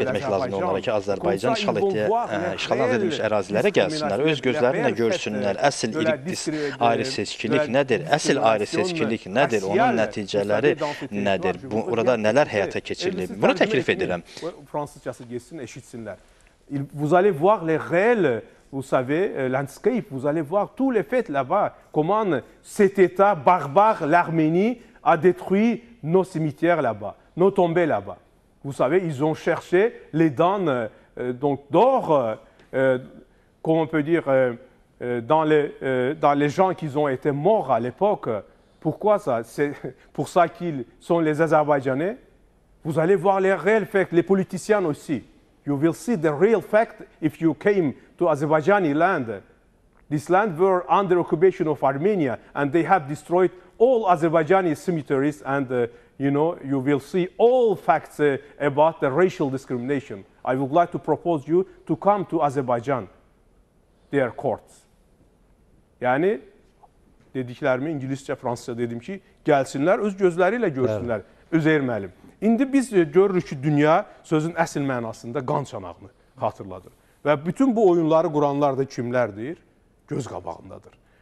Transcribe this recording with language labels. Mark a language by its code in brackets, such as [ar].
[az] etmək lazım onlara ki, Azərbaycan işğal edilmiş ərazilərə gəlsinlər, öz gözlərinlə görsünlər, əsl irqdis ayrı seçkilik nədir, əsl ayrı seçkilik nədir, onun nəticələri nədir, burada nələr həyata keçirilir, bunu təklif edirəm. Fransızcası geçsin, eşitsinlər. [fr] Vous allez voir les réels, vous savez, landscape, vous allez voir tous les faits là-bas, comment cet état barbare, l'Arménie, a détruit nos cimetières là-bas, nos tombées là-bas. Vous savez, ils ont cherché les dents d'or, comment on peut dire, dans les gens qui ont été morts à l'époque. Pourquoi ça? C'est pour ça qu'ils sont les Azerbaïdjanais. Vous allez voir les réels faits, les politiciens aussi. [en] You will see the real fact if you came to Azerbaijani land. This land were under occupation of Armenia and they have destroyed all Azerbaijani cemeteries and you know, you will see all facts about the racial discrimination. I would like to propose you to come to Azerbaijan, their courts. [az] Yani, dediklərimi İngilizcə, Fransızca dedim ki, gəlsinlər, öz gözləriylə görsünlər, öz erməlim. İndi biz görürük ki, dünya sözün əsl mənasında qan çanağını xatırladır. Və bütün bu oyunları quranlar da kimlərdir? Göz qabağındadır.